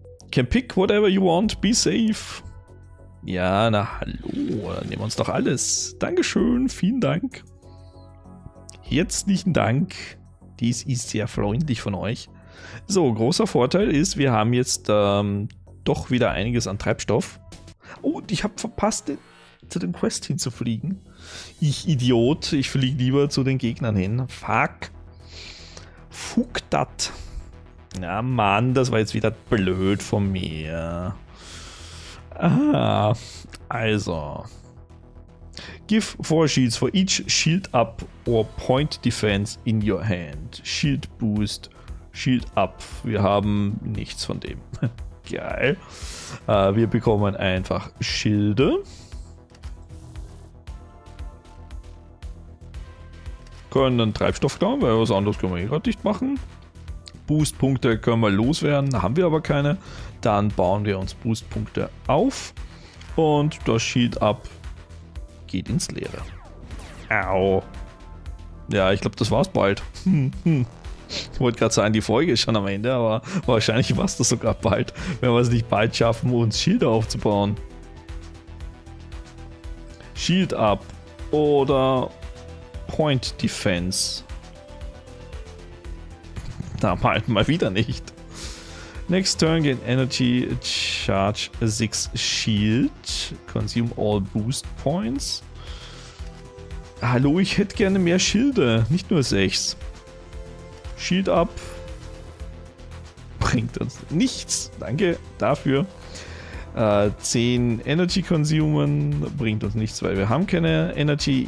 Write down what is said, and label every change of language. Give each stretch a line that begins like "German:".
English: Can pick whatever you want, be safe.
German: Ja, na hallo, nehmen wir uns doch alles. Dankeschön, vielen Dank. Herzlichen Dank. Dies ist sehr freundlich von euch. So, großer Vorteil ist, wir haben jetzt doch wieder einiges an Treibstoff. Oh, und ich habe verpasst den zu dem Quest hinzufliegen. Ich Idiot, ich fliege lieber zu den Gegnern hin. Fuck. Fuck dat. Ja, Mann, das war jetzt wieder blöd von mir. Ah, also.
English: give four shields for each shield up or point defense in your hand. Shield boost, shield up.
German: Wir haben nichts von dem. Geil. Wir bekommen einfach Schilde. Können dann Treibstoff klauen, weil was anderes können wir eh gerade nicht machen. Boostpunkte können wir loswerden, haben wir aber keine. Dann bauen wir uns Boostpunkte auf und das Shield Up geht ins Leere. Au. Ja, ich glaube, das war's bald. Ich wollte gerade sagen, die Folge ist schon am Ende, aber wahrscheinlich war es das sogar bald, wenn wir es nicht bald schaffen, uns Shield aufzubauen. Shield Up oder Point Defense. Da mal wieder nicht.
English: Next turn gain energy charge 6 shield. Consume all boost points.
German: Hallo, ich hätte gerne mehr Schilde, nicht nur 6. Shield up. Bringt uns nichts. Danke dafür. 10 Energy konsumen bringt uns nichts, weil wir haben keine Energy.